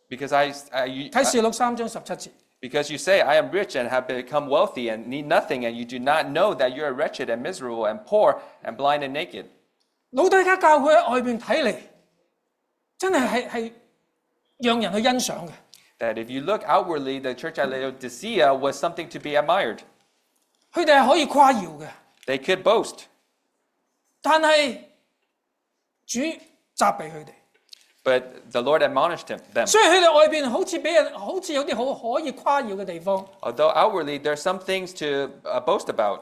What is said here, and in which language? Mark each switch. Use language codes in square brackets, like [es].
[zh] 我是富足已经乏了财，一样都不缺，却不知道你是那困苦可怜、贫穷、撒眼、赤身的。启示录三章十七节。 [en] Because you say, I am rich and have become wealthy and need nothing, and you do not know that you are wretched and miserable and poor and blind and naked. [zh] 老底加教会在外面看来，真的是让人去欣赏的。 [en] That if you look outwardly, the church at Laodicea was something to be admired. They could boast. But the Lord admonished them. Although outwardly, there are some things to boast about.